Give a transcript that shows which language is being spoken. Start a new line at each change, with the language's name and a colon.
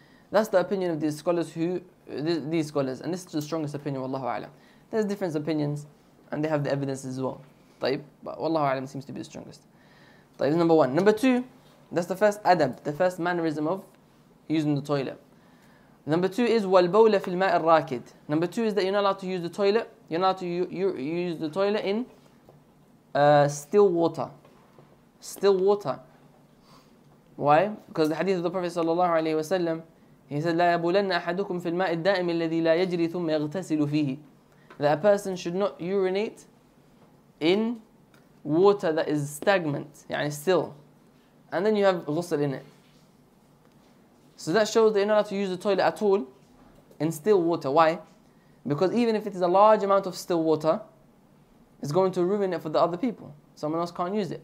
English: That's the opinion of these scholars and this is the strongest opinion, wallahu a'lam. There's different opinions, and they have the evidence as well. طيب, but wallahu a'lam seems to be the strongest. طيب, number one. Number two, that's the first adab, the first mannerism of using the toilet. Number two is
Arabic: والبول في الماء الراكد.
English: Number two is that you're not allowed to use the toilet. You're not allowed to use the toilet in still water. Still water. Why? Because the hadith of the Prophet sallallahu alaihi wasallam, he said
Arabic: لا يبولن أحدكم في الماء الدائم الذي لا يجري ثم يغتسل فيه.
English: That a person should not urinate in water that is stagnant, يعني still. And then you have ghusl in it. So that shows that you're not allowed to use the toilet at all in still water. Why? Because even if it is a large amount of still water, it's going to ruin it for the other people. Someone else can't use it.